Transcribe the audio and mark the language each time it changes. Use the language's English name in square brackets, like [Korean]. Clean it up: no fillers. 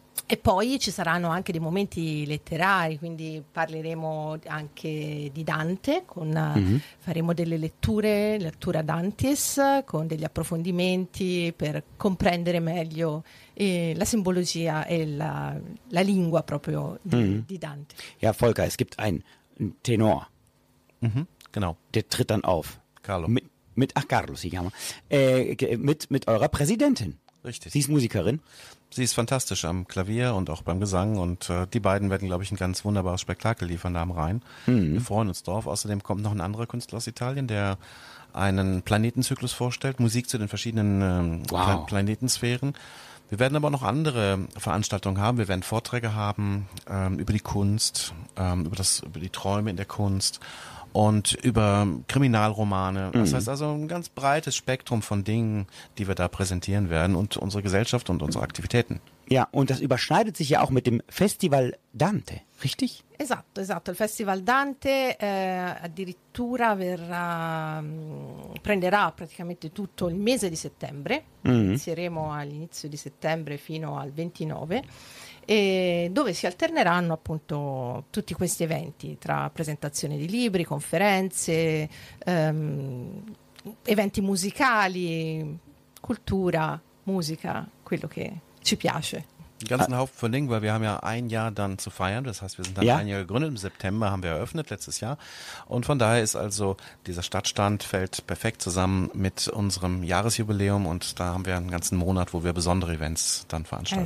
[Italian] E poi ci saranno anche dei momenti letterari, quindi parleremo anche di Dante, faremo delle letture, lettura Dantis, con degli approfondimenti per comprendere meglio la simbologia e la lingua proprio di Dante. [German] Ja, Volker, es gibt ein Tenor. Mm-hmm. Genau. Der tritt dann auf. Carlo. [Italian] Carlo si chiama. [German] Mit eurer Präsidentin. Richtig. Sie ist Musikerin. Sie ist fantastisch am Klavier und auch beim Gesang und die beiden werden, glaube ich, ein ganz wunderbares Spektakel liefern da am Rhein. Mhm. Wir freuen uns drauf. Außerdem kommt noch ein anderer Künstler aus Italien, der einen Planetenzyklus vorstellt, Musik zu den verschiedenen Planetensphären. Wir werden aber noch andere Veranstaltungen haben. Wir werden Vorträge haben über die Kunst, über die Träume in der Kunst und über Kriminalromane. Mhm. Das heißt also ein ganz breites Spektrum von Dingen, die wir da präsentieren werden und unsere Gesellschaft und unsere Aktivitäten. Ja, und das überschneidet sich ja auch mit dem Festival Dante, richtig? [Italian] Esatto, esatto. Il Festival Dante addirittura verrà, prenderà praticamente tutto il mese di settembre. Mm-hmm. Inizieremo all'inizio di settembre fino al 29, e dove si alterneranno appunto tutti questi eventi tra presentazione di libri, conferenze, eventi musicali, cultura, musica, quello che ci piace. [German] Einen ganzen Haufen von Dingen, weil wir haben ja ein Jahr dann zu feiern. Das heißt, wir sind dann ja. ein Jahr gegründet. Im September haben wir eröffnet, letztes Jahr. Und von daher ist also dieser Stadtstand fällt perfekt zusammen mit unserem Jahresjubiläum. Und da haben wir einen ganzen Monat, wo wir besondere Events dann veranstalten.